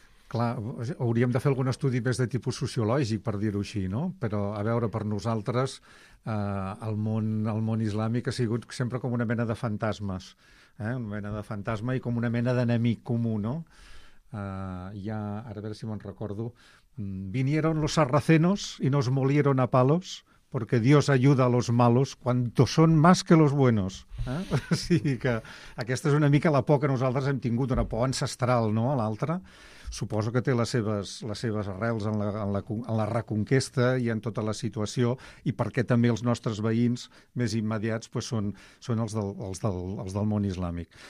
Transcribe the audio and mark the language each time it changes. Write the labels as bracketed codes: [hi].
[ca] Clar, hauríem de fer algun estudi més de tipus sociològic, per dir-ho així, no? Però, a veure, per nosaltres, el món islàmic ha sigut sempre com una mena de fantasmes, una mena de fantasma i com una mena d'enemic comú, no? Ara a veure si me'n recordo. [es] Vinieron los sarracenos y nos molieron a palos, porque Dios ayuda a los malos cuando son más que los buenos. [ca] O sigui que aquesta és una mica la por que nosaltres hem tingut, una por ancestral, no?, a l'altre. Suposo que té les seves arrels en la reconquesta i en tota la situació, i perquè també els nostres veïns més immediats pues, són els del món islàmic.